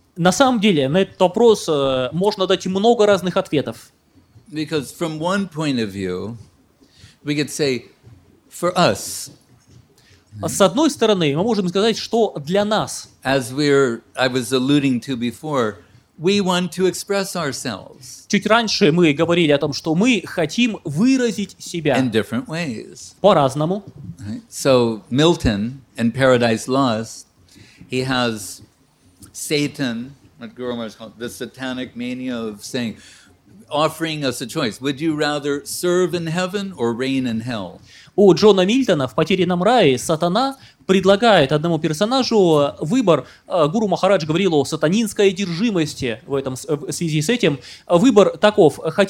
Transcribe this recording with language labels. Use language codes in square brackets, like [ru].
[ru] На самом деле, на этот вопрос можно дать много разных ответов. [en] Because from one point of view, we could say, for us. [ru] С одной стороны, мы можем сказать, что для нас. [en] As I was alluding to before, we want to express ourselves. [ru] Чуть раньше мы говорили о том, что мы хотим выразить себя. [en] In different ways. [ru] По-разному. [en] So Milton in Paradise Lost, he has Satan, what Guru Maharaj called the satanic mania of saying, offering us a choice. Would you rather serve in heaven or reign in hell? [ru] У Джона Мильтона в «Потерянном рае» сатана предлагает одному персонажу выбор. Гуру Махарадж говорил о сатанинской одержимости в связи с этим. Выбор таков.